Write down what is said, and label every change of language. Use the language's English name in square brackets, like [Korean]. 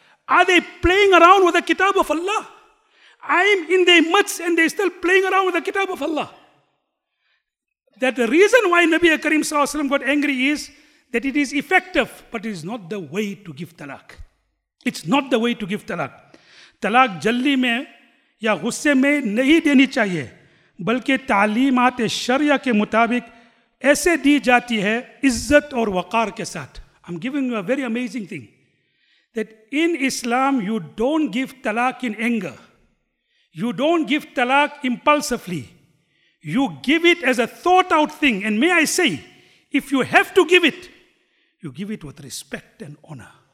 [English] Are they playing around with the kitab of Allah? I am in their midst and they still playing around with the kitab of Allah. That the reason why Nabi Karim SAW got angry is that it is effective, but it is not the way to give talaq. It's not the way to give talaq. [Urdu] Talaq jalli mein ya ghusse mein nahi deni chahiye. بلکہ تعلیمات شریعہ کے مطابق ایسے دی جاتی ہے عزت اور وقار کے ساتھ. [English] I'm giving you a very amazing thing. That in Islam, you don't give talaq in anger. You don't give talaq impulsively. You give it as a thought out thing. And may I say, if you have to give it, you give it with respect and honor.